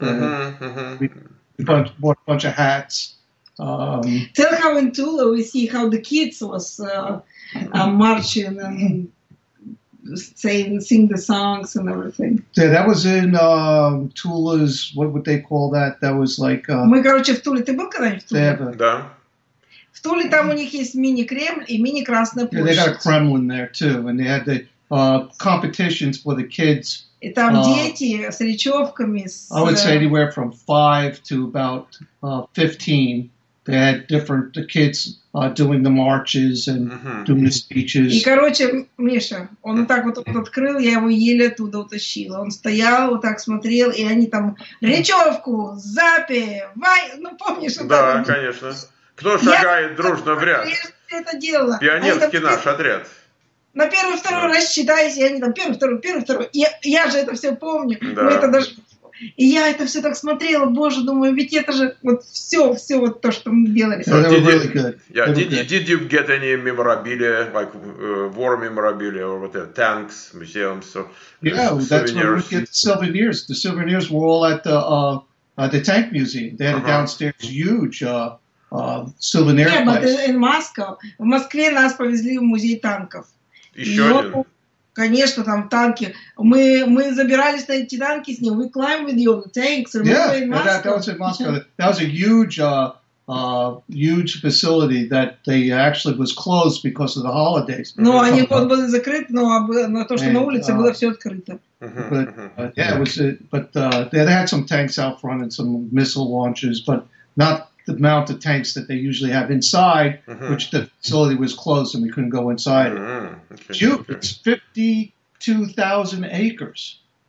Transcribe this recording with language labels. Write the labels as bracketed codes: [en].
[en] And we bought a bunch of hats. Tell how in Tula we see how the kids was marching and sing the songs and everything. Yeah, that was in Tula's, what would they call that? That was like... [ru] Мы, короче, в Туле. Ты был когда-нибудь в Туле? [en] Yeah, but... [ru] Да. В Туле там у них есть мини-Кремль и мини-Красная площадь. [en] Yeah, they got a Kremlin there too, and they had the competitions for the kids. [ru] И там дети с речевками. [en] I would say anywhere from 5 to about 15. They had the kids doing the marches and doing the speeches. [ru] И, короче, Миша, он вот так вот открыл, я его еле оттуда утащила. Он стоял, вот так смотрел, и они там речевку, запевай, ну помнишь? Вот да, там, конечно. Кто шагает дружно в ряд? Это делала. Пионерский там, наш отряд. На первый-второй рассчитайся, и они там первый-второй. Я же это все помню. Да. Мы это даже... И я это все так смотрела, боже, думаю, ведь это же вот все вот то, что мы делали. [en] So did you get any memorabilia, like war memorabilia or whatever, tanks, museums, or That's where we get the souvenirs. The souvenirs were all at the tank museum. They had a downstairs huge souvenir place. Yeah, but in Moscow, [ru] в Москве нас повезли в музей танков. Еще один? Конечно, там танки. Мы забирались на эти танки с ним. [en] We climbed with you on the tanks. Yeah, that was in Moscow. That was a huge, huge facility that they actually was closed because of the holidays. [ru] Ну, они вот были закрыты, но на то, что на улице было все открыто. [en] They had some tanks out front and some missile launchers, but not the amount of tanks that they usually have inside, which the facility was closed and we couldn't go inside. It's 52,000 acres.